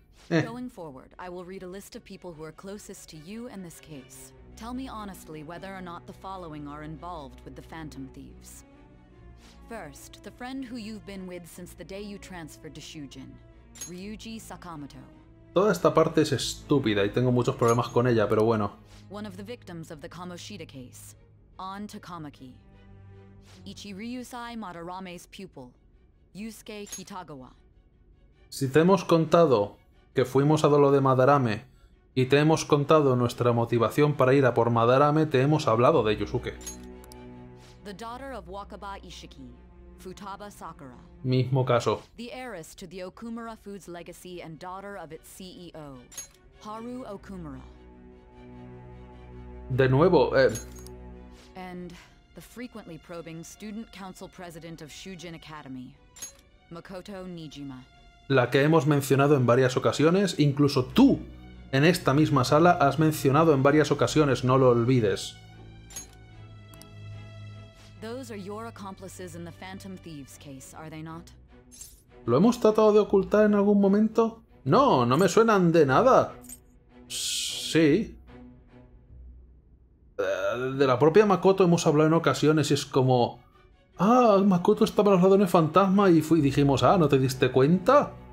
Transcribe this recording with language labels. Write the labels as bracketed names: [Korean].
[English] Going forward, I will read a list of people who are closest to you and this case. Tell me honestly whether or not the following are involved with the Phantom Thieves. First, the friend who you've been with since the day you transferred to Shujin, Ryuji Sakamoto. [Spanish] Toda esta parte es estúpida y tengo muchos problemas con ella, pero bueno. [English] One of the victims of the Kamoshida case, On Takamaki. Ichiryusai Madarame's pupil, Yusuke Kitagawa. [Spanish] Si te hemos contado que fuimos a lo de Madarame y te hemos contado nuestra motivación para ir a por Madarame, te hemos hablado de Yusuke. [English] The daughter of Wakaba Ishiki, Futaba Sakura. [Spanish] Mismo caso. [English] The heiress to the Okumura Foods legacy and daughter of its CEO, Haru Okumura. [Spanish] De nuevo, [English] And the frequently probing student council president of Shujin Academy, Makoto Nijima. [Spanish] La que hemos mencionado en varias ocasiones, incluso tú, en esta misma sala, has mencionado en varias ocasiones, no lo olvides. [English] Those are your accomplices in the Phantom Thieves case, are they not? [Spanish] ¿Lo hemos tratado de ocultar en algún momento? No, no me suenan de nada. Sí. De la propia Makoto hemos hablado en ocasiones y es como... Ah, Makoto estaba a los ladrones fantasma y dijimos, ah, ¿no te diste cuenta?